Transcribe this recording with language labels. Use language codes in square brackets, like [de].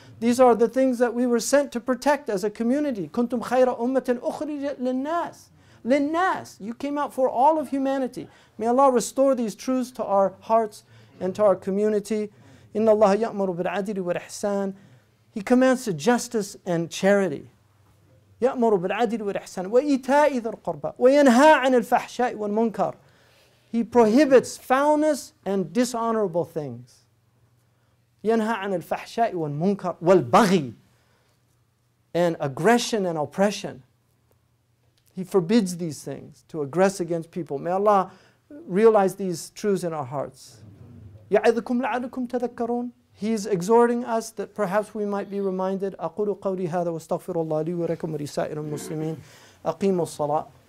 [en] These are the things that we were sent to protect as a community. [ar] كُنْتُمْ خَيْرَ أُمَّةٍ أُخْرِجَتْ لِلنَّاسِ لِلنَّاسِ. [en] You came out for all of humanity. May Allah restore these truths to our hearts and to our community. [ar] إِنَّ اللَّهَ يَأْمُرُ بِالْعَدْلِ وَالْإِحْسَانِ. [en] He commands to justice and charity. [ar] يأمر بالعدل والإحسان وإيتاء ذي القربى وينهى عن الفحشاء والمنكر. [en] He prohibits foulness and dishonorable things. [ar] ينهى عن الفحشاء والمنكر والبغي, [en] and aggression and oppression. He forbids these things, to aggress against people. May Allah realize these truths in our hearts. [ar] يعظكم لعلكم تذكرون. [en] He is exhorting us that perhaps we might be reminded. [ar] أقول قولي هذا واستغفر الله لي ولكم ولسائر المسلمين. أقيموا الصلاة.